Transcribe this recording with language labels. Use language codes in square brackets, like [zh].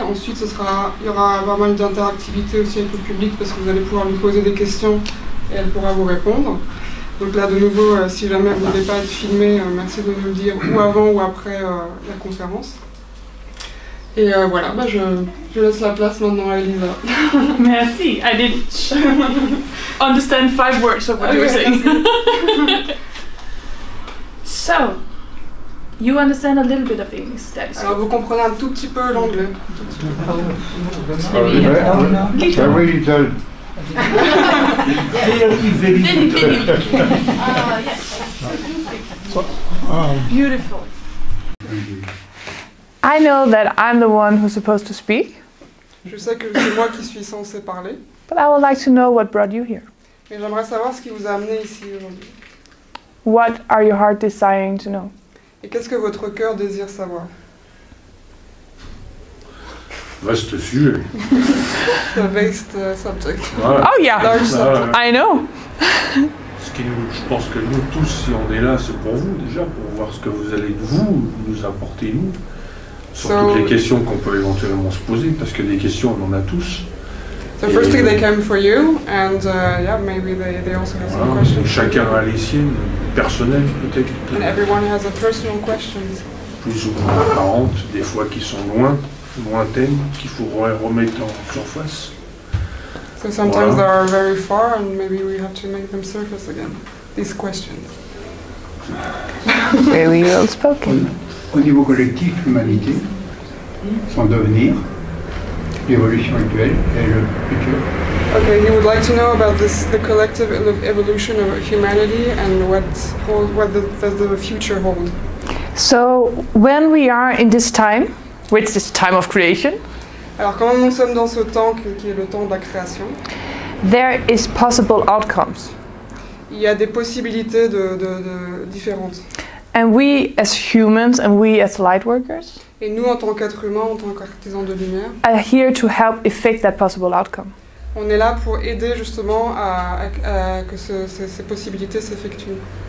[fr] Ensuite, il y aura pas mal d'interactivité aussi avec le public, parce que vous allez pouvoir lui poser des questions et elle pourra vous répondre. Donc là, de nouveau, si jamais vous ne voulez pas être filmé, merci de nous le dire, ou avant ou après la conférence. Et voilà, je laisse la place maintenant à Elisa. [en] Merci, I didn't understand 5 words of what you were saying. So, you understand a little bit of English, that is. [fr] Alors vous comprenez un tout petit peu l'anglais. [en] Very little. Very little. Beautiful. I know that I'm the one who's supposed to speak. [fr] Je sais que c'est moi qui suis censé parler. [en] But I would like to know what brought you here. [fr] Mais j'aimerais savoir ce qui vous a amené ici aujourd'hui. [en] What are your heart desiring to know? [fr] Et qu'est-ce que votre cœur désire savoir? Vaste sujet. [en] The vast subject. Voilà. Oh yeah, large subject. I know. [fr] Ce qui nous, je pense que nous tous, si on est là, c'est pour vous déjà, pour voir ce que vous allez vous nous apporter, nous. Sur toutes les questions qu'on peut éventuellement se poser, parce que des questions, on en a tous. [en] The first thing they came for you, and yeah, maybe they also have some questions. [fr] Chacun a les siennes, personnelles peut-être. [en] And everyone has a personal questions. [fr] Plus ou moins apparentes, des fois qui sont lointaines, qu'il faudrait remettre en surface. [en] So sometimes voilà. They are very far, and maybe we have to make them surface again, these questions. Very well spoken. [fr] Au niveau collectif, l'humanité, son devenir, l'évolution actuelle et le futur. [en] Okay, he would like to know about this, the collective evolution of humanity and what does the future hold. So, when we are in this time, which is time of creation, [fr] alors quand nous sommes dans ce temps qui est le temps de la création, [en] there is possible outcomes. [fr] Il y a des possibilités de différentes. [en] And we as humans and we as light workers, [fr] et nous en tant qu'êtres humains, en tant qu'artisans de lumière, [en] are here to help effect that possible outcome. [fr] On est là pour aider justement à que ces possibilités s'effectuent.